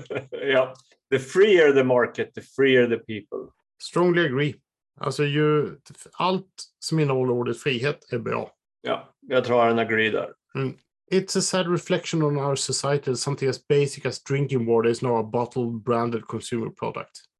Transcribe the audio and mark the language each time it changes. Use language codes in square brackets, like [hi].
[en] Ja, the freer the market, the freer the people. Strongly agree. [sv] Alltså ju, allt som innehåller ordet frihet är bra. Ja, jag tror han agree där. Mm. [en] It's a sad reflection on our society that something as basic as drinking water is now a bottled branded consumer product.